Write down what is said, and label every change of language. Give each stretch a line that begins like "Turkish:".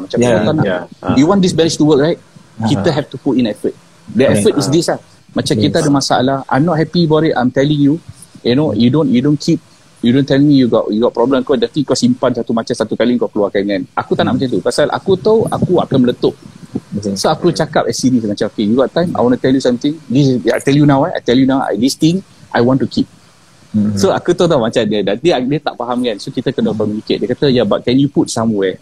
Malay: Macam kita tak nak,
English: you want this marriage to work right, kita have to put in effort. The effort is this lah.
Malay: Macam kita ada masalah,
English: I'm not happy about it, I'm telling you, you know, you don't tell me you got problem.
Malay: Kau dah, kau simpan satu macam, satu kali kau keluarkan kan. Aku tak nak macam tu, pasal aku tahu aku akan meletup. So aku cakap
English: as serious macam, okay, you got time, I want to tell you something. This is, I tell you now, this thing I want to keep.
Malay: So aku tahu tau macam dia, dia tak faham kan. So kita kena communicate. Dia kata,
English: yeah, but can you put somewhere?